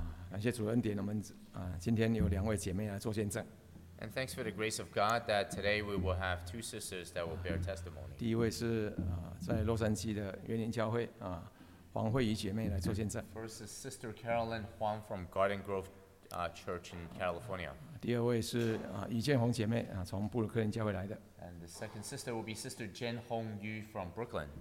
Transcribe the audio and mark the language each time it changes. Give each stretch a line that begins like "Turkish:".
Chinese: 感谢主恩典，我们啊，今天有两位姐妹来做见证。
English: And thanks for the grace of God that today we will have two sisters that will bear testimony.
Chinese: 第一位是啊，在洛杉矶的园林教会啊，黄慧仪姐妹来做见证。
English: First is Sister Carolyn Huang from Garden Grove, Church in California.
Chinese: 第二位是啊，于建红姐妹啊，从布鲁克林教会来的。
English: And the second sister will be Sister Jen Hong Yu from Brooklyn.